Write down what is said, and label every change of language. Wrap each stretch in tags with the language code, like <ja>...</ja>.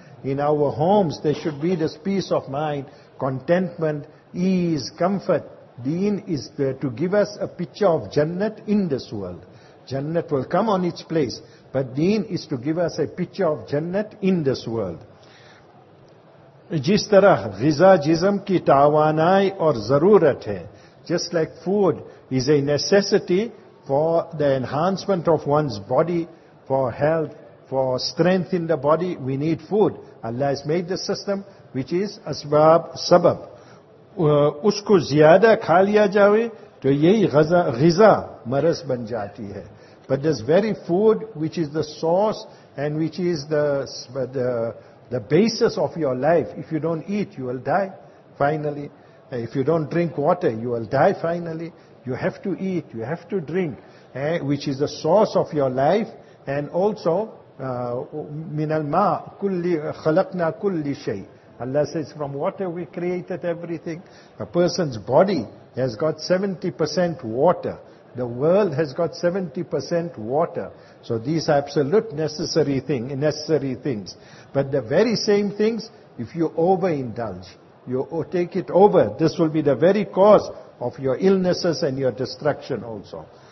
<en>In our homes, there should be this peace of mind, contentment, ease, comfort. Deen is there to give us a picture of Jannat in this world. Jannat will come on its place, but deen is to give us a picture of Jannat in this world.</en> <ur>جس طرح غذا جسم کی توانائی اور ضرورت ہے.</ur> <en>Just like food is a necessity for the enhancement of one's body, for health, for strength in the body, we need food. Allah has made the system which is asbab sabab.</en> <ur>اس کو زیادہ کھا لیا جاوے تو یہی غذا مرض بن جاتی ہے.</ur> <en>But this very food which is the source and which is the basis of your life, if you don't eat, you will die finally. If you don't drink water, you will die finally. You have to eat, you have to drink, which is the source of your life. And also,</en> <ar>مِنَ الْمَا خَلَقْنَا كُلِّ شَيْءٍ.</ar> <en>Allah says, from water we created everything. A person's body has got 70% water. The world has got 70% water. So these are absolute necessary things. But the very same things, if you overindulge, you take it over, this will be the very cause of your illnesses and your destruction also.</en>